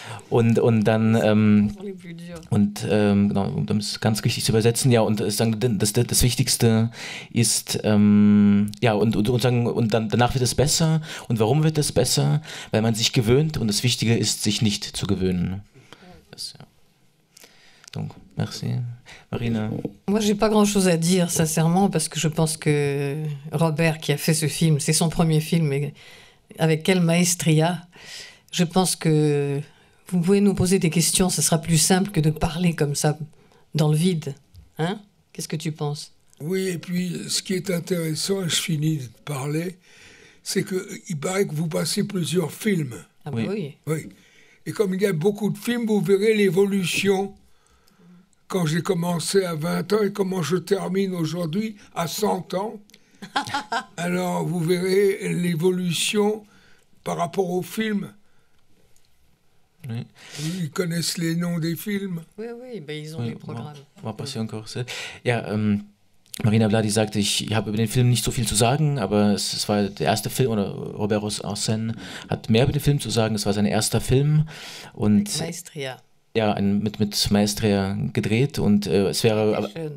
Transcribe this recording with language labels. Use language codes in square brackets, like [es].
[de] Und dann, genau, um das ganz richtig zu übersetzen, ja, und das Wichtigste ist, ja, und dann, danach wird es besser. Und warum wird es besser? Weil man sich gewöhnt und das Wichtige ist, sich nicht zu gewöhnen. Das, ja. [fr] Donc, merci. [de] Marina. [fr] Moi, j'ai pas grand-chose à dire, sincèrement, parce que je pense que Robert, qui a fait ce film, c'est son premier film, mais avec quelle maestria. Je pense que vous pouvez nous poser des questions, ce sera plus simple que de parler comme ça, dans le vide. Hein? Qu'est-ce que tu penses? Oui, et puis, ce qui est intéressant, et je finis de parler, c'est qu'il paraît que vous passez plusieurs films. Ah oui. Bah oui. Oui. Et comme il y a beaucoup de films, vous verrez l'évolution quand j'ai commencé à 20 ans et comment je termine aujourd'hui à 100 ans. Alors, vous verrez l'évolution par rapport aux films. Oui. Ils connaissent les noms des films. Oui, ben ils ont, oui, les programmes. On va passer encore ça. Yeah, [de] Marina Vladi sagte, ich habe über den Film nicht so viel zu sagen, aber es war der erste Film, oder Roberto Arsène hat mehr über den Film zu sagen, es war sein erster Film. Und mit Maestria. Ja, mit Maestria gedreht und es wäre...